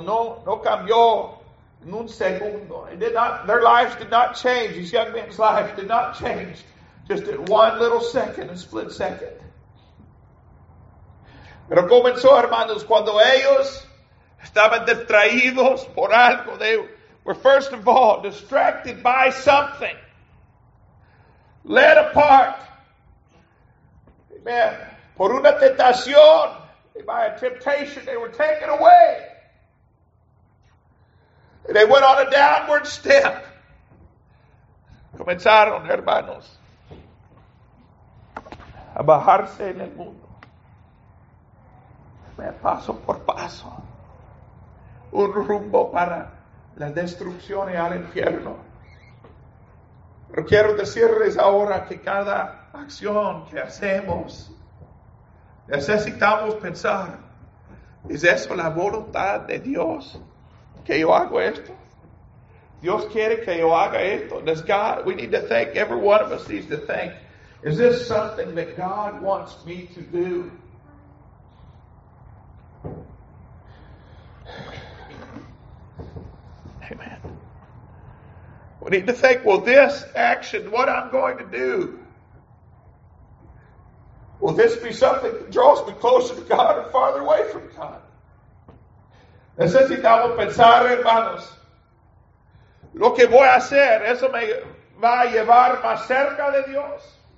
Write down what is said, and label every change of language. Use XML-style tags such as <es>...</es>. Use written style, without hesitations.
<es>No cambió en un segundo.</es> <en>Their lives did not change. These young men's lives did not change. Just in one little second, a split second.</en> <es>Pero comenzó, hermanos, cuando ellos estaban distraídos por algo.</es> <en>They were, first of all, distracted by something. Led apart. Amen.</en> <es>Por una tentación.</es> <en>By a temptation, they were taken away. They went on a downward step.</en> <es>Comenzaron, hermanos, a bajarse en el mundo. Paso por paso, un rumbo para la destrucción y al infierno. Pero quiero decirles ahora que cada acción que hacemos, necesitamos pensar, ¿es eso la voluntad de Dios que yo hago esto? ¿Dios quiere que yo haga esto?</es> <en>Does God, we need to think, every one of us needs to think, ¿is this something that God wants me to do? We need to think, will this action, what I'm going to do, will this be something that draws me closer to God or farther away from God?</en> <es>Necesitamos pensar, hermanos, lo que voy a hacer, eso me va a llevar más cerca de Dios.</es>